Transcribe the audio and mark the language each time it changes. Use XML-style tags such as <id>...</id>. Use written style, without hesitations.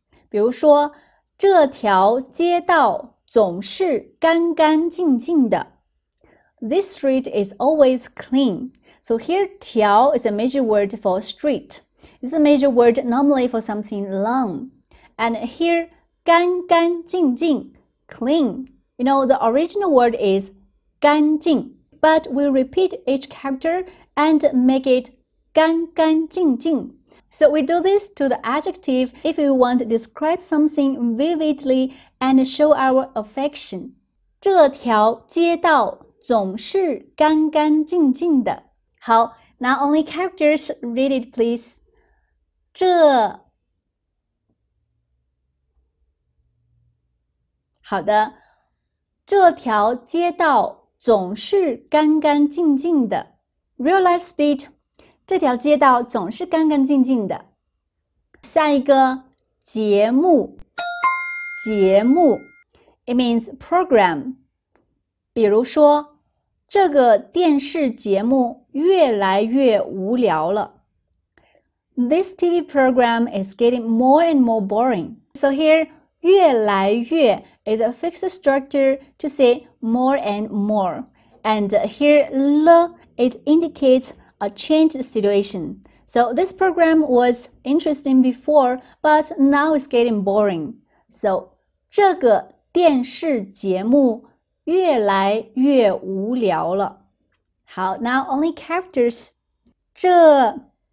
<zh>比如说, 这条街道总是干干净净的。</zh> <en>This street is always clean. So here, 条 is a major word for street. It's a major word normally for something long. And here, 干干净净 clean. You know, the original word is 干净 but we repeat each character and make it 干干净净 So we do this to the adjective if we want to describe something vividly and show our affection.</en> <zh>这条街道总是干干净净的。</zh> <en>好 now only characters, read it please.</en> <zh>这好的这条街道总是干干净净的。</zh> <en>Real life speed,</en> <zh>这条街道总是干干净净的。下一个节目节目</zh> <en>It means program.</en> <zh>比如说这个电视节目越来越无聊了。</zh> <en>This TV program is getting more and more boring. So here, 越来越 is a fixed structure to say more and more. And here, 了 it indicates a changed situation. So this program was interesting before, but now it's getting boring. So</en> <zh>这个电视节目越来越无聊了。</zh> <en>好 ,now only characters.</en> <zh>这</zh>